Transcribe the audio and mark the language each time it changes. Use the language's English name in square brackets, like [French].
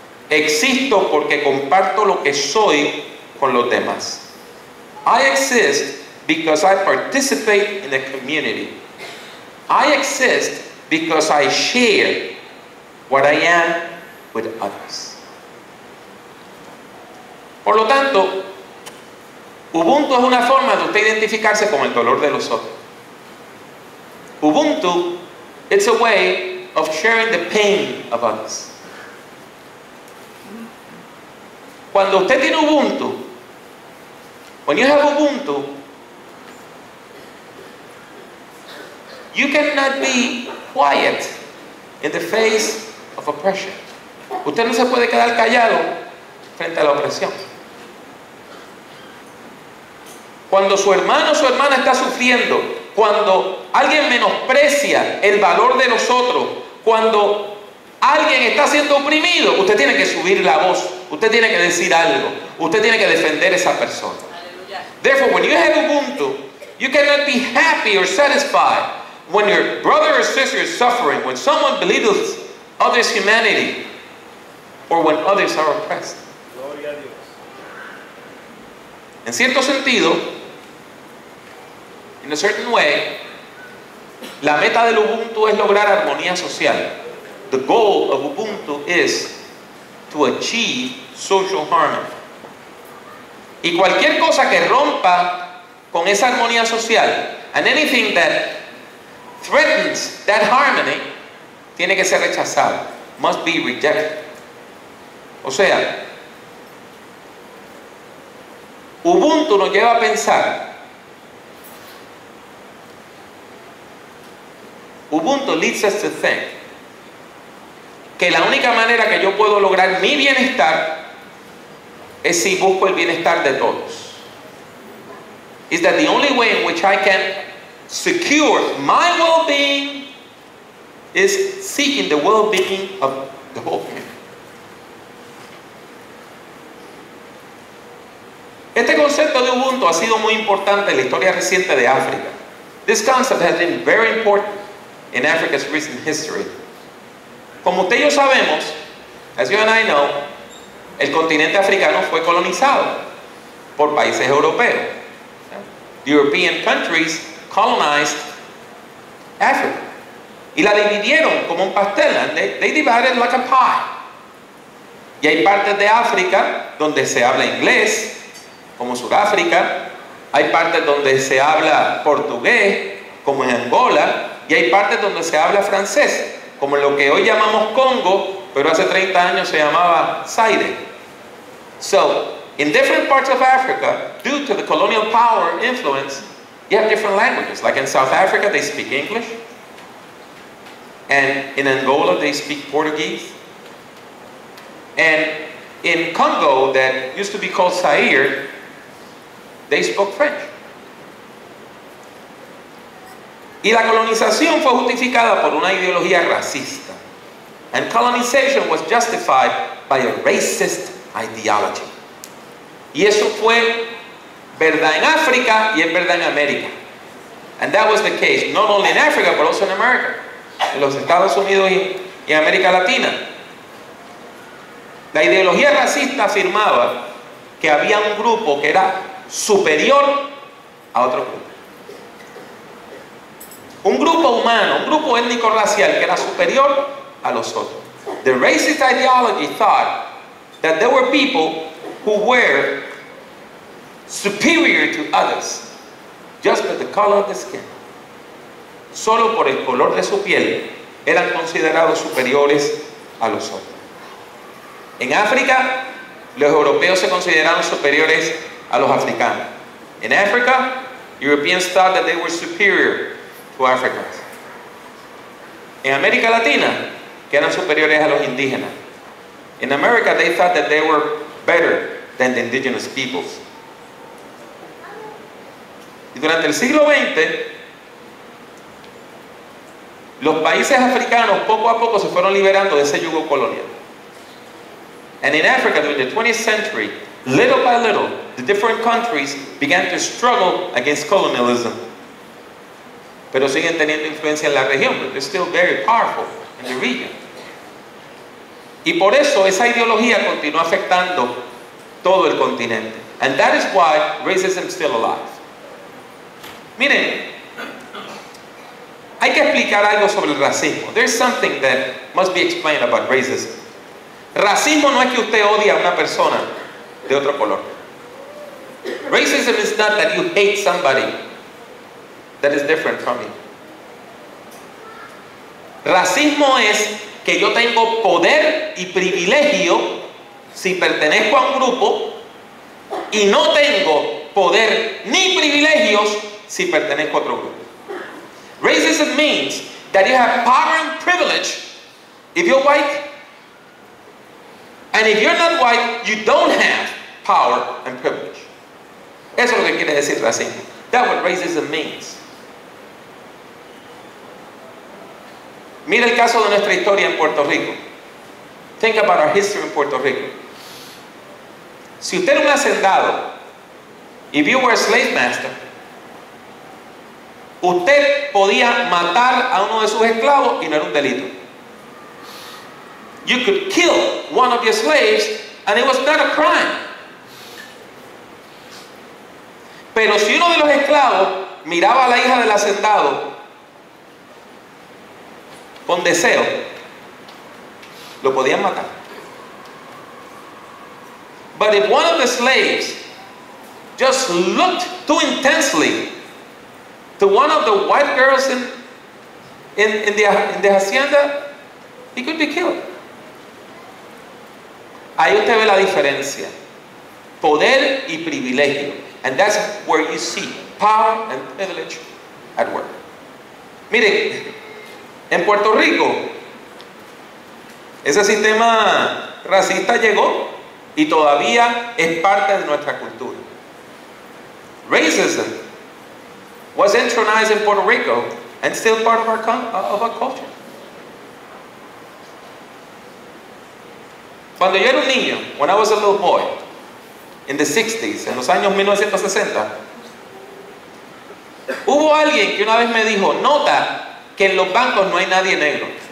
[Spanish] Existo porque comparto lo que soy con los demás. [English] I exist because I participate in a community. I exist because I share what I am with others. [Spanish] Por lo tanto, Ubuntu es una forma de usted identificarse con el dolor de los otros. [English] Ubuntu, it's a way of sharing the pain of others. [Spanish] Cuando usted tiene Ubuntu, [English] when you have Ubuntu, you cannot be quiet in the face of oppression. [Spanish] Usted no se puede quedar callado frente a la opresión. Cuando su hermano o su hermana está sufriendo, cuando alguien menosprecia el valor de los otros, cuando alguien está siendo oprimido, usted tiene que subir la voz, usted tiene que decir algo, usted tiene que defender a esa persona. [English] Therefore, when you have Ubuntu, you cannot be happy or satisfied When your brother or sister is suffering, when someone belittles others' humanity, or when others are oppressed. [Spanish] Gloria a Dios. En cierto sentido, [English] in a certain way, [Spanish] la meta del Ubuntu es lograr armonía social. [English] The goal of Ubuntu is to achieve social harmony. [Spanish] Y cualquier cosa que rompa con esa armonía social, [English] and anything that threatens that harmony, [Spanish] tiene que ser rechazado, [English] must be rejected. [Spanish] O sea, Ubuntu nos lleva a pensar, [English] Ubuntu leads us to think, [Spanish] que la única manera que yo puedo lograr mi bienestar es si busco el bienestar de todos. [English] Is that the only way in which I can secure my well-being is seeking the well-being of the whole community. [Spanish] Este concepto de Ubuntu ha sido muy importante en la historia reciente de África. [English] This concept has been very important in Africa's recent history. [Spanish] Como usted y yo sabemos, [English] as you and I know, [Spanish] el continente africano fue colonizado por países europeos. [English] The European countries colonized Africa. [Spanish] Y la dividieron como un pastel. [English] They divided it like a pie. [Spanish] Y hay partes de África donde se habla inglés, como Sudáfrica. Hay partes donde se habla portugués, como en Angola. Y hay partes donde se habla francés, como lo que hoy llamamos Congo, pero hace 30 años se llamaba Zaire. [English] So, in different parts of Africa, due to the colonial power influence, you have different languages. Like in South Africa, they speak English. And in Angola, they speak Portuguese. And in Congo, that used to be called Zaire, they spoke French. [Spanish] Y la colonización fue justificada por una ideología racista. [English] And colonization was justified by a racist ideology. [Spanish] Y eso fue verdad en África y es verdad en América. [English] And that was the case, not only in Africa, but also in America. [Spanish] En los Estados Unidos y en América Latina. La ideología racista afirmaba que había un grupo que era superior a otro grupo. Un grupo humano, un grupo étnico-racial que era superior a los otros. [English] The racist ideology thought that there were people who were superior to others just by the color of the skin. [Spanish] Solo por el color de su piel eran considerados superiores a los otros. En África, los europeos se consideraron superiores a los africanos. [English] In Africa, Europeans thought that they were superior to Africans. [Spanish] En América Latina, que eran superiores a los indígenas. [English] In America, they thought that they were better than the indigenous peoples. [Spanish] Y durante el siglo XX, los países africanos poco a poco se fueron liberando de ese yugo colonial. [English] And in Africa, during the 20th century, little by little, the different countries began to struggle against colonialism. [Spanish] Pero siguen teniendo influencia en la región, [English] but they're still very powerful in the region. [Spanish] Y por eso esa ideología continúa afectando todo el continente. [English] And that is why racism is still alive. [Spanish] Miren, hay que explicar algo sobre el racismo. [English] There's something that must be explained about racism. [Spanish] Racismo no es que usted odie a una persona de otro color. [English] Racism is not that you hate somebody that is different from me. [Spanish] Racismo es que yo tengo poder y privilegio si pertenezco a un grupo y no tengo poder ni privilegios si pertenezco a otro grupo. [English] Racism means that you have power and privilege if you're white. And if you're not white, you don't have power and privilege. [Spanish] Eso es lo que quiere decir racismo. [English] That's what racism means. [Spanish] Mira el caso de nuestra historia en Puerto Rico. [English] Think about our history in Puerto Rico. [Spanish] Si usted era un hacendado, [English] if you were a slave master, [Spanish] Usted podía matar a uno de sus esclavos y no era un delito. [English] You could kill one of your slaves and it was not a crime. [Spanish] Pero si uno de los esclavos miraba a la hija del hacendado con deseo, lo podían matar. [English] But if one of the slaves just looked too intensely to one of the white girls in the hacienda, he could be killed. [Spanish] Ahí usted ve la diferencia. Poder y privilegio. [English] And that's where you see power and privilege at work. [Spanish] Miren, en Puerto Rico, ese sistema racista llegó y todavía es parte de nuestra cultura. [English] Racism was entronized in Puerto Rico and still part of our culture. [Spanish] Cuando yo era un niño, [English] when I was a little boy, in the 60s, [Spanish] en los años 1960, hubo alguien que una vez me dijo, nota que en los bancos no hay nadie negro.